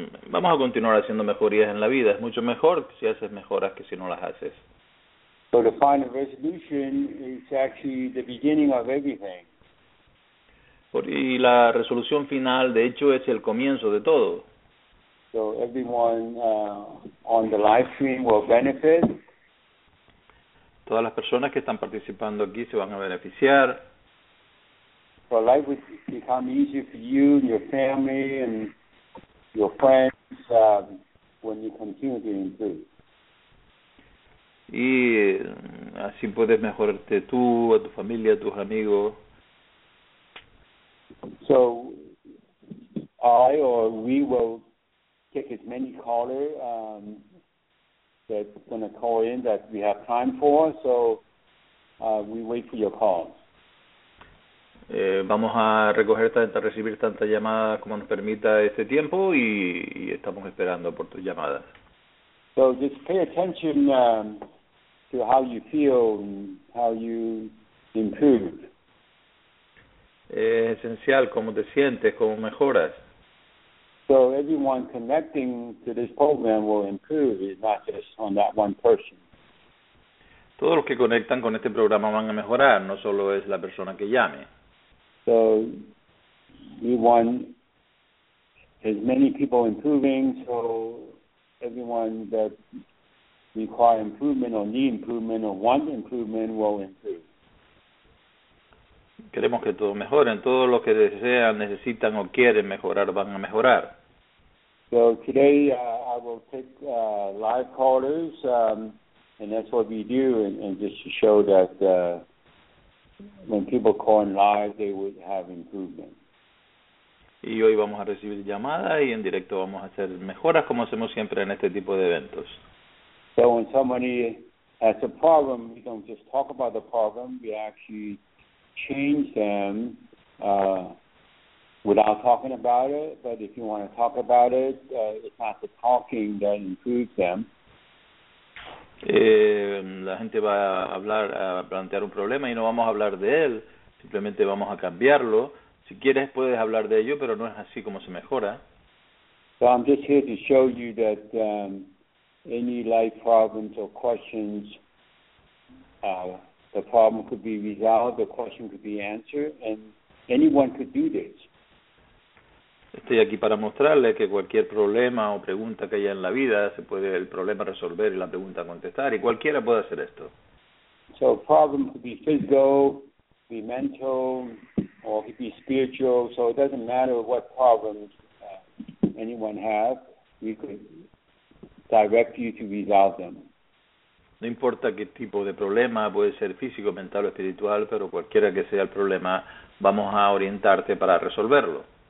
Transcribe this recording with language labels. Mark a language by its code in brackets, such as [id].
[es] Vamos a continuar haciendo mejorías en la vida. Es mucho mejor si haces mejoras que si no las haces. [en] So the final resolution is actually the beginning of everything. [es] Y la resolución final, de hecho, es el comienzo de todo. [en] So everyone on the live stream will benefit. [es] Todas las personas que están participando aquí se van a beneficiar. [en] So life will become easier for you and your family and your friends when you continue to improve. [es] Y así puedes mejorarte tú, a tu familia, a tus amigos. [en] So I or we will take as many callers that's going to call in that we have time for, so we wait for your calls. [es] Vamos a recoger, a recibir tantas llamadas como nos permita este tiempo y estamos esperando por tus llamadas. [en] So just pay attention to how you feel and how you improve. [es] Es esencial cómo te sientes, cómo mejoras. [en] So everyone connecting to this program will improve, it's not just on that one person. [es] Todos los que conectan con este programa van a mejorar, no solo es la persona que llame. [en] So we want as many people improving, so everyone that require improvement or need improvement or want improvement will improve. [es] Queremos que todos mejoren. Todos los que desean, necesitan o quieren mejorar, van a mejorar. [en] So today I will take live callers, and that's what we do, and just to show that when people call in live, they would have improvement. [es] Y hoy vamos a recibir llamadas y en directo vamos a hacer mejoras como hacemos siempre en este tipo de eventos. [en] So when somebody has a problem, we don't just talk about the problem, we actually change them without talking about it, but if you want to talk about it, it's not the talking that improves them. [es] La gente va a hablar, a plantear un problema y no vamos a hablar de él, simplemente vamos a cambiarlo. Si quieres puedes hablar de ello, pero no es así como se mejora. [en] So I'm just here to show you that any life problems or questions, the problem could be resolved, the question could be answered, and anyone could do this. [es] Estoy aquí para mostrarle que cualquier problema o pregunta que haya en la vida se puede el problema resolver y la pregunta contestar, y cualquiera puede hacer esto. [en] So a problem could be physical, be mental, or could be spiritual, so it doesn't matter what problems anyone has, we could direct you to resolve them. [es] No importa qué tipo de problema, puede ser físico, mental o espiritual, pero cualquiera que sea el problema, vamos a orientarte para resolverlo.